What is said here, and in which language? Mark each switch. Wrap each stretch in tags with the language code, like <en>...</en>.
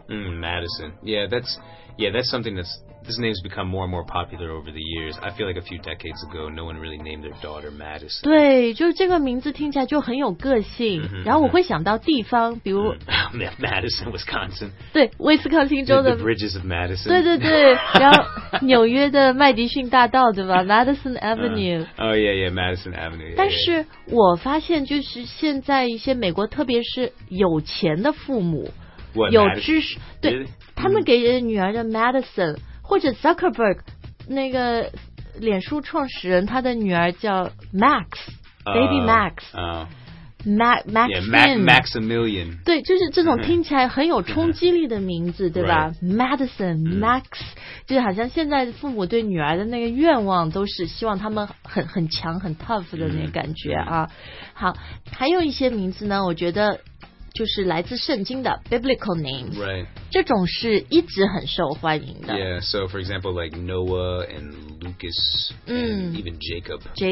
<en>Madison that's something that's this name's become more and more popular over the years. I feel like a few decades ago, no one really named their daughter Madison.</en> <zh>对，就是这个名字听起来就很有个性。 Mm-hmm. 然后我会想到地方，比如、</zh> <en>Madison, Wisconsin.</en> <zh>对，威斯康星州的</zh> <en>the Bridges of Madison.</en> <zh>对对对，然后纽约的麦迪逊大道，对吧 ？Madison Avenue.</zh> <en>Madison Avenue. Yeah,</en> <zh>但是我发现，就是现在一些美国，特别是有钱的父母，</zh> <en>what,</en> <zh>有知识，</zh> <en>Madison?</en> <zh>对、</zh> <en>really?</en> <zh>他们给女儿的 Madison。或者 Zuckerberg 那个脸书创始人他的女儿叫 Max Baby Max</zh> <en>Maximilian</en> <zh>对就是这种听起来很有冲击力的名字对吧、</zh> <en>right.</en> <zh>Madison Max 就好像现在父母对女儿的那个愿望都是希望他们很强很 tough 的那个感觉啊。好还有一些名字呢我觉得就是来自圣经的</zh> <en>biblical names、 right.</en> <zh>这种是一直很受欢迎的</zh> <en>yeah so for example like Noah and Lucas、and even Jacob</en>